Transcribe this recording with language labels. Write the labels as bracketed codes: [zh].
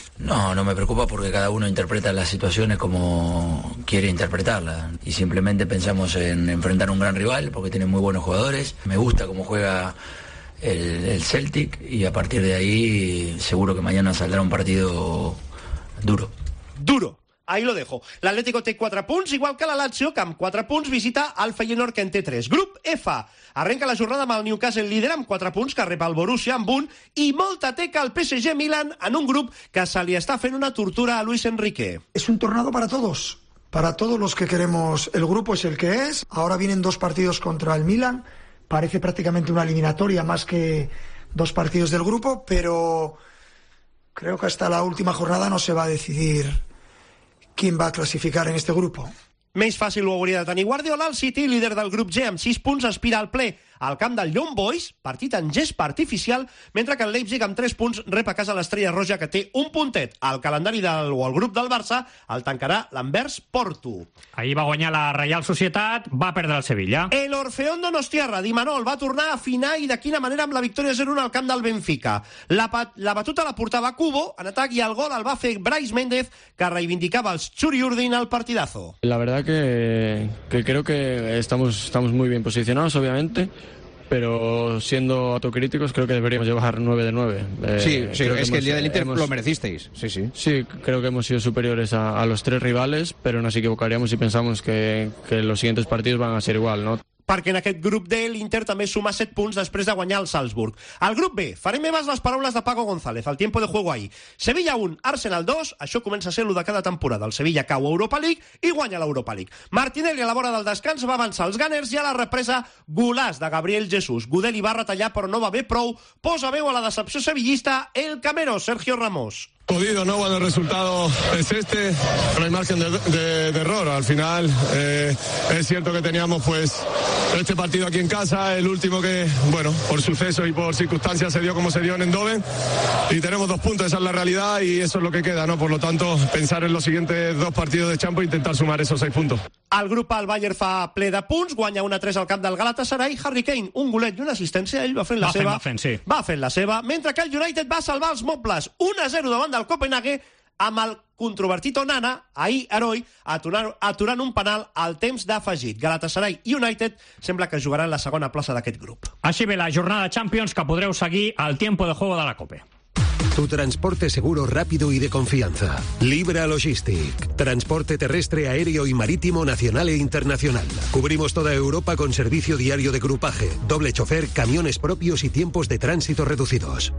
[es] No me preocupa porque cada uno interpreta las situaciones como quiere interpretarlas y simplemente pensamos en enfrentar un gran rival porque tiene muy buenos jugadores. Me gusta cómo juega el Celtic y a partir de ahí seguro que mañana saldrá un partido duro. Duro. Ahí lo dejo. [ca] L'Atlético té 4 punts, igual que la Lazio, que amb 4 punts visita el Feyenoord, que en té 3. Grup F. Arrenca la jornada amb el Newcastle líder amb 4 punts, que rep el Borussia amb 1, i molta teca el PSG Milan en un grup que se li està fent una tortura a Luis Enrique. [es] Es un tornado para todos. Para todos los que queremos. El grupo es el que es. Ahora vienen dos partidos contra el Milan, parece prácticamente una eliminatoria más que dos partidos del grupo, pero creo que hasta la última jornada no se va a decidir quién va a clasificar en este grupo. [ca] Més fàcil ho hauria de tenir Guardiola. El City, líder del grup G, amb 6 punts, aspira al ple al camp del Young Boys, partit en gespa artificial, mentre que el Leipzig, amb 3 punts, rep a casa l'Estrella Roja, que té un puntet. Al calendari del o al grup del Barça el tancarà l'Anvers Porto. Ahir va guanyar la Reial Societat, va perdre el Sevilla. El Orfeón Donostiarra, d'Imanol, va tornar a afinar i de quina manera amb la victòria 0-1 al camp del Benfica. La batuta la portava Kubo en atac i el gol el va fer Brais Méndez, que reivindicava els Xuri Urdin al partidazo. [es] La verdad que creo que estamos muy bien posicionados, obviamente. Pero siendo autocríticos, creo que deberíamos llevar 9 de 9. Sí, creo que es que el día del Inter lo merecisteis. Sí, sí. Sí, creo que hemos sido superiores a los tres rivales, pero nos equivocaríamos si pensamos que los siguientes partidos van a ser igual, ¿no? [ca] Perquè en aquest grup D, l'Inter també suma 7 punts després de guanyar el Salzburg. Al grup B, farem meves les paraules de Paco González, [es] el tiempo de juego ahí. [ca] Sevilla 1, Arsenal 2, això comença a ser el de cada temporada. El Sevilla cau a Europa League i guanya l'Europa League. Martinelli a la vora del descans va avançar els Gunners i a la represa, golàs de Gabriel Jesús. Gudeli va retallar però no va bé prou. Posa veu a la decepció sevillista el camero Sergio Ramos. [es] Jodido, ¿no? Bueno, el resultado es este. No hay margen de error. Al final, es cierto que teníamos, pues, este partido aquí en casa, el último que, bueno, por suceso y por circunstancias se dio como se dio en Eindhoven. Y tenemos dos puntos, esa es la realidad y eso es lo que queda, ¿no? Por lo tanto, pensar en los siguientes dos partidos de Champions e intentar sumar esos 6 puntos. [ca] El grup al Bayern fa ple de punts, guanya 1-3 al camp del Galatasaray. Harry Kane, un golet i una assistència, ell va fent la seva. Va fent la seva, mentre que el United va salvar els mobles. 1-0 davant del Copenhague amb el controvertit Onana, ahir heroi, aturant un penal al temps d'afegit. Galatasaray i United sembla que jugaran la segona plaça d'aquest grup. Així ve la jornada de Champions, que podreu seguir al Tiempo de Juego de la Cope. [es] Tu transporte seguro, rápido y de confianza. Libra Logistic. Transporte terrestre, aéreo y marítimo nacional e internacional. Cubrimos toda Europa con servicio diario de grupaje, doble chofer, camiones propios y tiempos de tránsito reducidos.